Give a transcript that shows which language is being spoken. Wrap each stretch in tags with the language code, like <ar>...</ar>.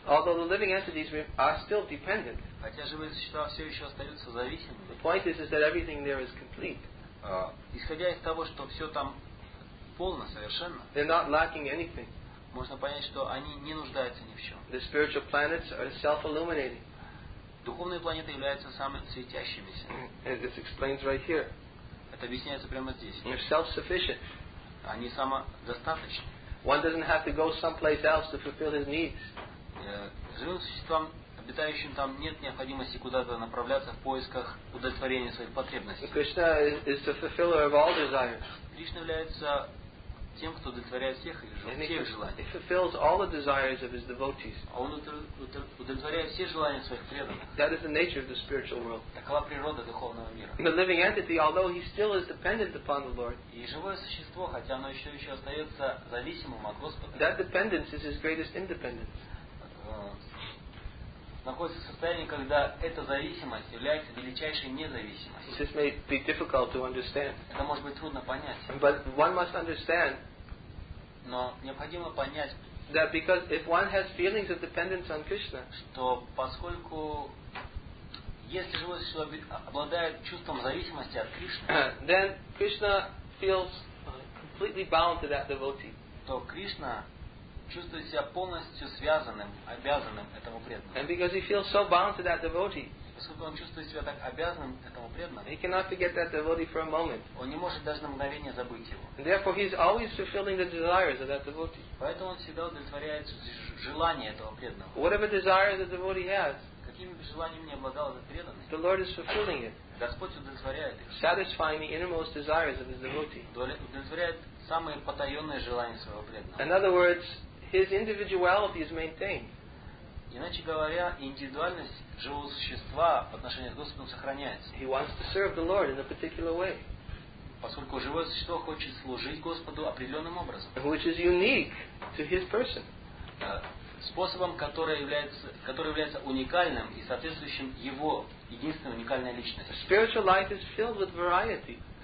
<en>although the living entities are still dependent,</en> <ru>хотя живые существа все еще остаются зависимыми,</ru> <en>the point is that everything there is complete.</en> <ru>Исходя из того, что все там полно, совершенно,</ru> <en>they're not lacking anything.</en> <ru>Можно понять, что они не нуждаются ни в чем.</ru> <en>The spiritual planets are self-illuminating.</en> <ru>Духовные планеты являются самыми светящимися.</ru> <en>And this explains right here.</en> <ru>Это объясняется прямо здесь.</ru> <en>They're self-sufficient.</en> <ru>Они самодостаточны.</ru> <en>One doesn't have to go someplace else to fulfill his needs.</en> <ru>Живым существам, обитающим там, нет необходимости куда-то направляться в поисках удовлетворения своих потребностей.</ru> <en>Krishna is the fulfiller of all desires.</en> <ru>Кришна является тем, кто удовлетворяет всех их желаний.</ru> <en>He fulfills all the desires of his devotees.</en> <ru>Он удовлетворяет все желания своих преданных.</ru> <en>That is the nature of the spiritual world.</en> <ru>Такова природа духовного мира.</ru> <en>The living entity, although he still is dependent upon the Lord,</en> <ru>и живое существо, хотя оно еще остается зависимым от Господа,</ru> <en>that dependence is his greatest independence.</en> <ru>Находится в состоянии, когда эта зависимость является величайшей независимостью.</ru> <en>This may be difficult to understand.</en> <ru>Это может быть трудно понять.</ru> <en>But one must understand.</en> <ru>Но необходимо понять.</ru> <en>That because if one has feelings of dependence on Krishna,</en> <ru>что поскольку если живое существо обладает чувством зависимости от Кришны,</ru> <en>then Krishna feels completely bound to that devotee.</en> <ru>То Кришна чувствует себя полностью связанным, обязанным этому преданному.</ru> <en>And because he feels so bound to that devotee,</en> <ru>поскольку он чувствует себя так обязанным этому преданному,</ru> <en>he cannot forget that devotee for a moment.</en> <ru>Он не может даже на мгновение забыть его.</ru> <en>And therefore, he is always fulfilling the desires of that devotee.</en> <ru>Поэтому он всегда удовлетворяет желания этого преданного.</ru> <en>Whatever desire the devotee has,</en> <ru>каким бы желанием ни обладал этот преданный,</ru> <en>the Lord is fulfilling it.</en> <ru>Господь удовлетворяет их.</ru> <en>Satisfying the innermost desires of his devotee.</en> <ru>Удовлетворяет самые потаенные желания своего преданного.</ru> <en>In other words, his individuality is maintained.</en> <ru>Иначе говоря, индивидуальность живого существа в отношении к Господу сохраняется.</ru> <en>He wants to serve the Lord in a particular way.</en> <ru>Поскольку живое существо хочет служить Господу определенным образом.</ru> <en>Which is unique to his person.</en> <ru>Способом, который является уникальным и соответствующим его единственной уникальной личности.</ru> <en>Spiritual life is filled with variety.</en>